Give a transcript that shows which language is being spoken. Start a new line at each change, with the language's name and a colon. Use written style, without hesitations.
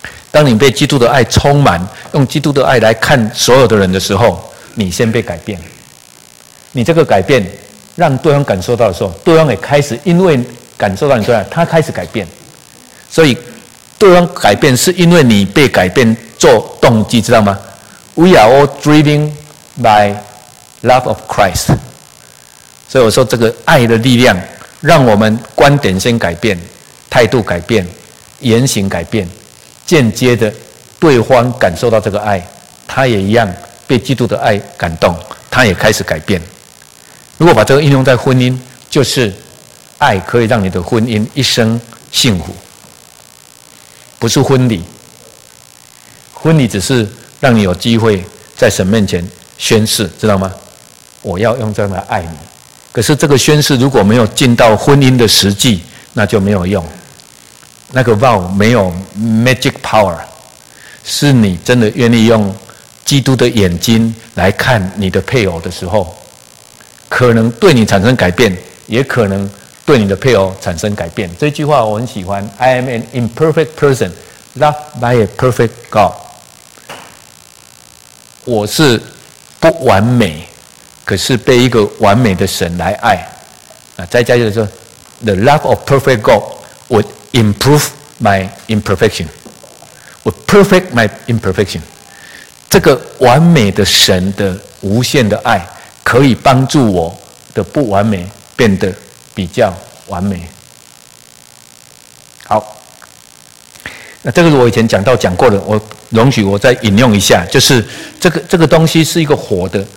Chinese: 当你被基督的爱充满，用基督的爱来看所有的人的时候，你先被改变。你这个改变让对方感受到的时候，对方也开始因为感受到你对方，他开始改变。所以对方改变是因为你被改变做动机，知道吗？
English: We are all driven by love of Christ。
Chinese: 所以我说，这个爱的力量让我们观点先改变，态度改变，言行改变，间接的对方感受到这个爱，他也一样被基督的爱感动，他也开始改变。如果把这个应用在婚姻，就是爱可以让你的婚姻一生幸福，不是婚礼，婚礼只是让你有机会在神面前宣誓，知道吗？我要用这样来爱你。可是这个宣誓如果没有进到婚姻的实际，那就没有用。那个 vow 没有
English: magic power，
Chinese: 是你真的愿意用基督的眼睛来看你的配偶的时候，可能对你产生改变，也可能对你的配偶产生改变。这句话我很喜欢
English: ：I am an imperfect person loved by a perfect God。
Chinese: 我是不完美。可是被一个完美的神来爱，啊，再加就是说
English: ，the love of perfect God would improve my imperfection， would perfect my imperfection。
Chinese: 这个完美的神的无限的爱，可以帮助我的不完美变得比较完美。好，那这个是我以前讲到讲过的，我容许我再引用一下，就是这个东西是一个活的。